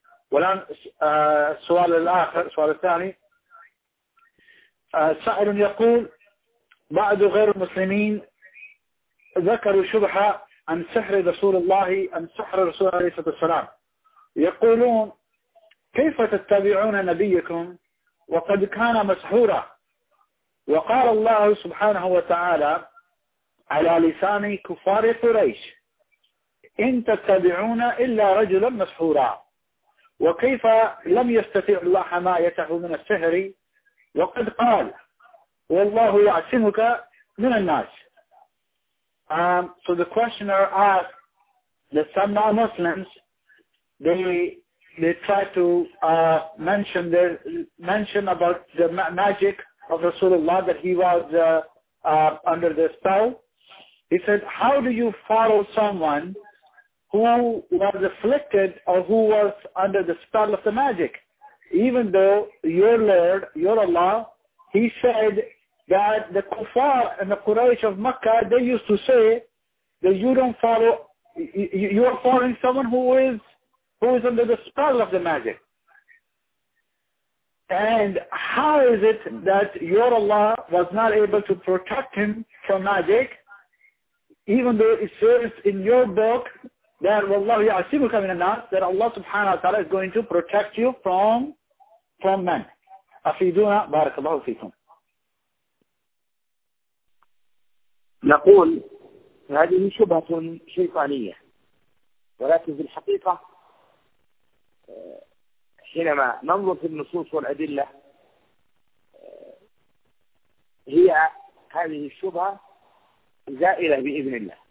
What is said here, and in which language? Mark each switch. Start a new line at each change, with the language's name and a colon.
Arabic: والآن السؤال الآخر، السؤال الثاني، سائل يقول بعض غير المسلمين ذكروا شبهة عن سحر رسول الله، عن سحر رسول الله عليه السلام، يقولون كيف تتبعون نبيكم وقد كان مسحورا، وقال الله سبحانه وتعالى على لسان كفار قريش إن تتبعون إلا رجلا مسحورا، وكيف لم يستطيع الله حمايته من السحر وقد قال والله يعصمك من الناس.
English: So the questioner asked that some non-Muslims they try to mention about the magic of Rasulullah, that he was under the spell. He said, how do you follow someone who was afflicted or who was under the spell of the magic, even though your Lord, your Allah, he said that the kuffar and the Quraysh of Mecca, they used to say that you don't follow, you are following someone who is under the spell of the magic. And how is it that your Allah was not able to protect him from magic, even though it says in your book that
Arabic: Wallahu ya'asimuka min al-nas,
English: that Allah subhanahu wa ta'ala is going to protect you from men.
Arabic: Afiduna barakallahu fikum. نقول هذه شبهة شيطانية ولكن في الحقيقة حينما ننظر في النصوص والأدلة هي هذه الشبهة زائلة بإذن الله.